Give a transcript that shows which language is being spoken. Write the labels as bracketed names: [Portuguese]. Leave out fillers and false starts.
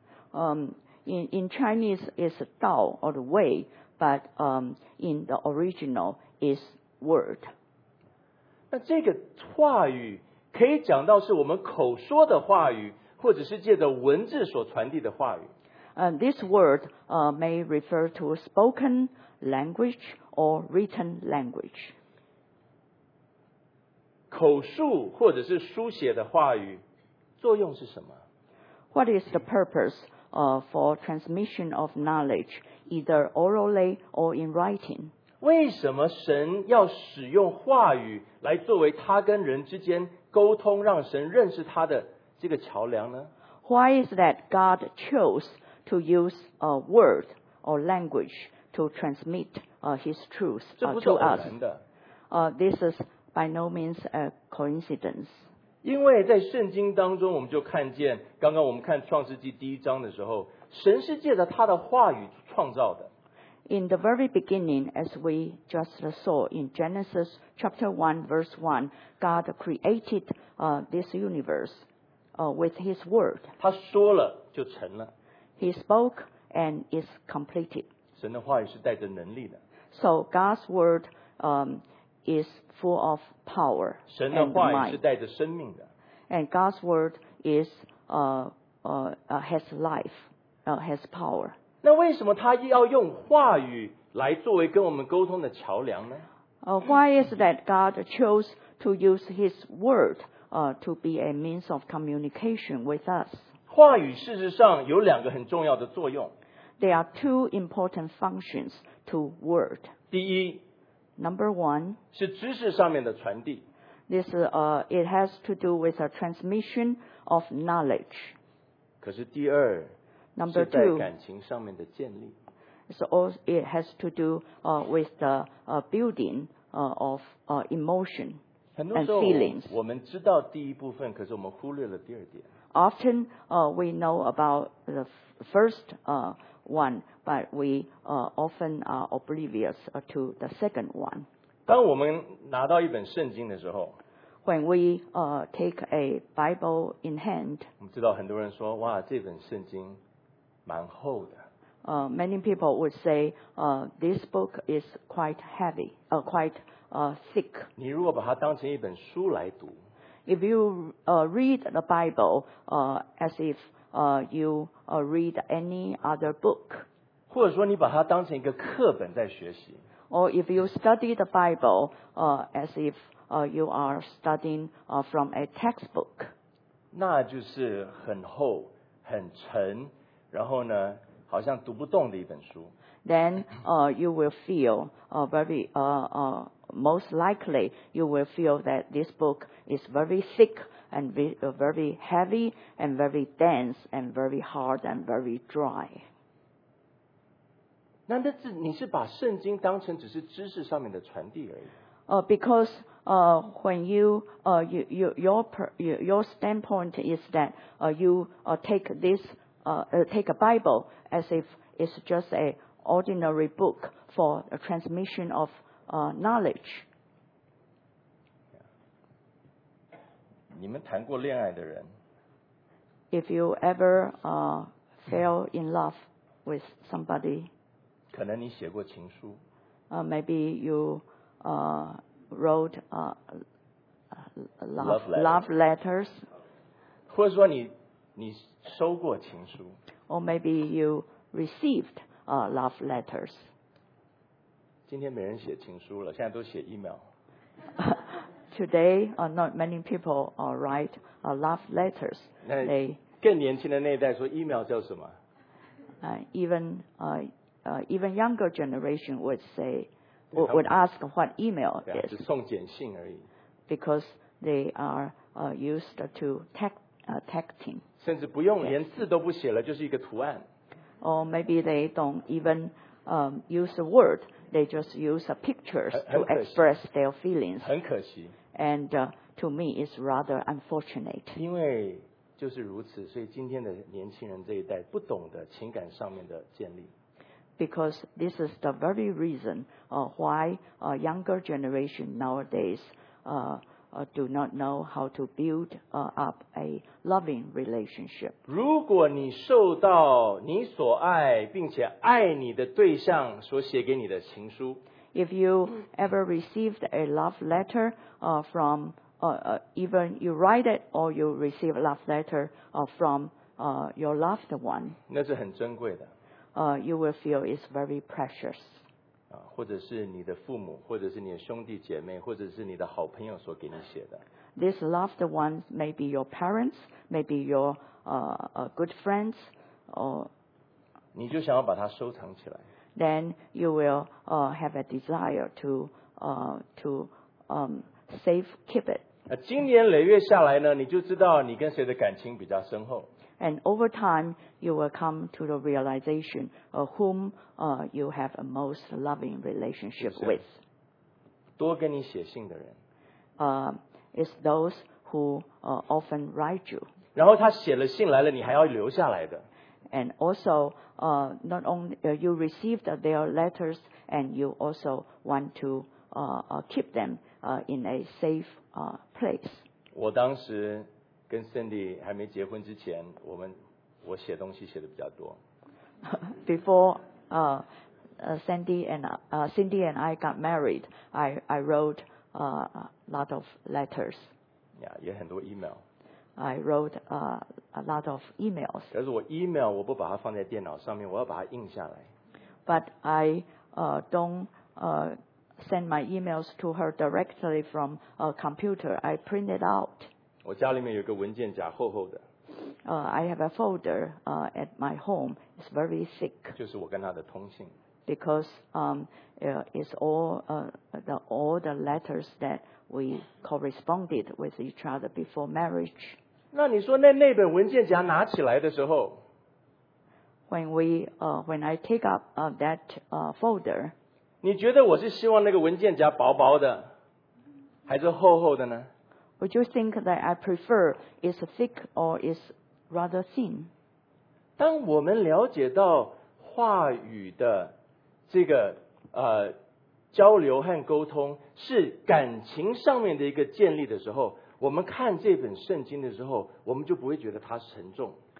[English] In Chinese is Dao or the way, but in the original is word. [Chinese] 那这个话语可以讲到是我们口说的话语，或者是借着文字所传递的话语。 [English] This word may refer to spoken language or written language. [Chinese] 口述或者是书写的话语作用是什么？ [English] What is the purpose for transmission of knowledge, either orally or in writing? [Chinese] 为什么神要使用话语来作为他跟人之间沟通，让神认识他的这个桥梁呢？ [English] Why is that God chose to use a word or language to transmit His truth to us? [Chinese] 这不是偶然的。 [English] This is by no means a coincidence. [Chinese] 因为在圣经当中，我们就看见，刚刚我们看创世纪第一章的时候，神是借着他的话语创造的。 [English] In the very beginning, as we just saw in Genesis chapter 1, verse 1, God created this universe with His word. [Chinese] 他说了就成了。 [English] He spoke and is completed. [Chinese] 神的话语是带着能力的。 [English] So God's word is full of power and mind. And God's word is, has life, has power. [Chinese] 那为什么他要用话语来作为跟我们沟通的桥梁呢？ [English] Why is that God chose to use His word, to be a means of communication with us? [Chinese] 话语事实上有两个很重要的作用。 [English] There are two important functions to word. [Chinese] 第一， [English] Number one, [Chinese] 是知识上面的传递。 [English] This it has to do with a transmission of knowledge. [Chinese] 可是第二， [English] Number two, [Chinese] 是在感情上面的建立。 [English] So it has to do with the building of emotion and feelings. [Chinese] 我们知道第一部分，可是我们忽略了第二点。 [English] Often we know about the first one, but we often are oblivious to the second one. [Chinese] 当我们拿到一本圣经的时候， [English] When we take a Bible in hand, [Chinese] 我们知道很多人说，哇，这本圣经蛮厚的。 [English] Many people would say, this book is quite heavy, quite thick. [Chinese] 你如果把它当成一本书来读， [English] If you read the Bible as if you read any other book, [Chinese] 或者说你把它当成一个课本在学习， [English] or if you study the Bible as if you are studying from a textbook, [Chinese] 那就是很厚很沉，然后呢好像读不动的一本书。 [English] Then you will feel most likely you will feel that this book is very thickand very heavy and very dense and very hard and very dry. [Chinese] 那你是把圣经当成只是知识上面的传递而已。 [English] Because when you, your standpoint is that you take this, take a Bible as if it's just an ordinary book for a transmission of knowledge. [Chinese] 你们谈过恋爱的人， [English] If you ever fell in love with somebody, [Chinese] 可能你写过情书， [English] maybe you wrote love letters, [Chinese] 或者说你收过情书， [English] or maybe you received love letters. [Chinese] 今天没人写情书了，现在都写 email. [English] Today, not many people write love letters. [Chinese] 那更年轻的那一代说 email 叫什么？ [English] Even younger generation would say, would ask what email is. [Chinese] 只送简讯而已。 [English] Because they are used to tag team. [Chinese] 甚至不用连字都不写了，就是一个图案。 [English] Or maybe they don't even use a word. They just use a pictures to express their feelings. [Chinese] 很可惜。 [English] And to me, it's rather unfortunate. [Chinese] 因为就是如此，所以今天的年轻人这一代不懂得情感上面的建立。 [English] Because this is the very reason why a younger generation nowadays do not know how to build up a loving relationship. [Chinese] 如果你受到你所爱并且爱你的对象所写给你的情书， [English] If you ever received a love letter from even you write it or you receive a love letter from your loved one, [Chinese] 那是很珍贵的。 [English] You will feel it's very precious. [Chinese] 或者是你的父母，或者是你的兄弟姐妹，或者是你的好朋友所给你写的。 [English] This loved one may be your parents, may be your good friends, or [Chinese] 你就想要把它收藏起来。 [English] Then you will have a desire to save keep it. [Chinese] 今年累月下来呢，你就知道你跟谁的感情比较深厚。 [English] And over time, you will come to the realization of whom you have a most loving relationship with. [Chinese] 多跟你写信的人。 [English] It's those who often write you. [Chinese] 然后他写了信来了，你还要留下来的。 [English] And also, not only you received their letters, and you also want to keep them in a safe place. [Chinese] 我当时跟 Cindy 还没结婚之前，我写东西写的比较多。 [English] Before Cindy and I got married, I wrote a lot of letters. [Chinese] Yeah, 也很多 email. [English] I wrote a lot of emails. [Chinese] 可是我 email 我不把它放在电脑上面，我要把它印下来。 [English] But I don't send my emails to her directly from a computer. I print it out. [Chinese] 我家里面有个文件夹，厚厚的。 [English] I have a folder at my home. It's very thick. [Chinese] 就是我跟他的通信。 [English] Because it's all the letters that we corresponded with each other before marriage. [Chinese] 那你说那本文件夹拿起来的时候 [English] ，When I take up that folder， [Chinese] 你觉得我是希望那个文件夹薄薄的，还是厚厚的呢？ [English] Would you think that I prefer is thick or is rather thin? [Chinese] 当我们了解到话语的这个交流和沟通是感情上面的一个建立的时候，我们看这本圣经的时候，我们就不会觉得它沉重。